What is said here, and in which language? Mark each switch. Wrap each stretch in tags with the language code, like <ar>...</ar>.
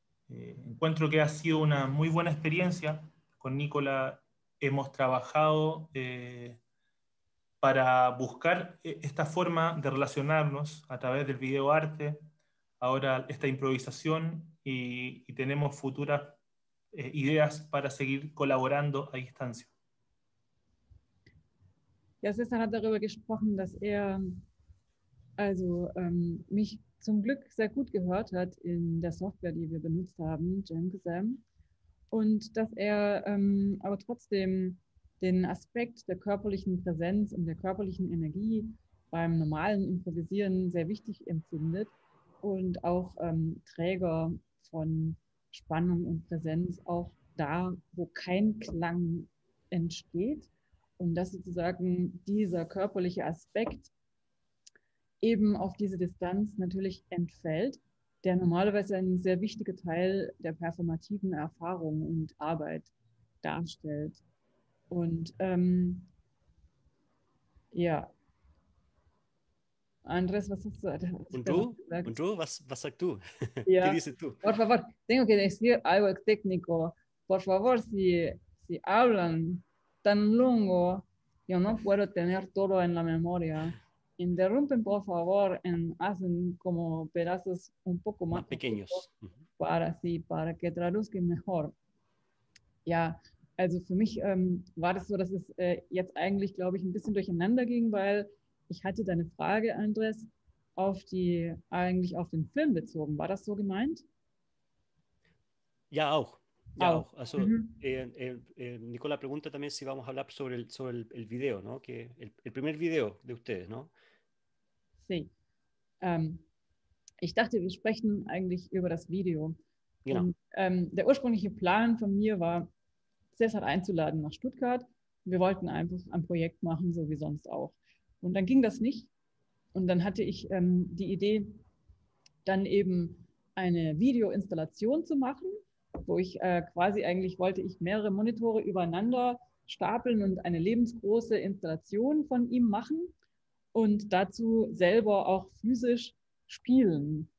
<es>Encuentro que ha sido una muy buena experiencia. Con Nicola hemos trabajado para buscar esta forma de relacionarnos a través del videoarte, ahora esta improvisación, y tenemos futuras ideas para seguir colaborando a distancia.</es> <de>Ja, César hat darüber gesprochen, dass er also mich zum Glück sehr gut gehört hat in der Software, die wir benutzt haben, YamKazam, und dass er aber trotzdem den Aspekt der körperlichen Präsenz und der körperlichen Energie beim normalen Improvisieren sehr wichtig empfindet und auch Träger von Spannung und Präsenz auch da, wo kein Klang entsteht und dass sozusagen dieser körperliche Aspekt eben auf diese Distanz natürlich entfällt, der normalerweise ein sehr wichtiger Teil der performativen Erfahrung und Arbeit darstellt. Und ja, Andres, was hast du? Und du? Was sagst du?</de> <es>Ja. ¿Qué dices tú? Por favor, tengo que decir algo técnico. Por favor, si hablan tan longo, yo no puedo tener todo en la memoria. Interrumpen, por favor, en hacen como pedazos un poco más pequeños. Para que traduzcan mejor.</es> <de>Ja, also für mich war das so, dass es jetzt eigentlich, glaube ich, ein bisschen durcheinander ging, weil ich hatte deine Frage, Andres, auf den Film bezogen. War das so gemeint? Ja, auch. Ja, auch.</de> <es>Also, Nicola pregunta también si vamos a hablar sobre el video, ¿no? Que el primer video de ustedes, ¿no? Sí.</es> <de>Ich dachte, wir sprechen eigentlich über das Video. Genau. Und, der ursprüngliche Plan von mir war, César einzuladen nach Stuttgart. Wir wollten einfach ein Projekt machen, so wie sonst auch. Und dann ging das nicht. Und dann hatte ich die Idee, dann eben eine Videoinstallation zu machen, wo ich quasi eigentlich wollte ich mehrere Monitore übereinander stapeln und eine lebensgroße Installation von ihm machen und dazu selber auch physisch spielen.</de>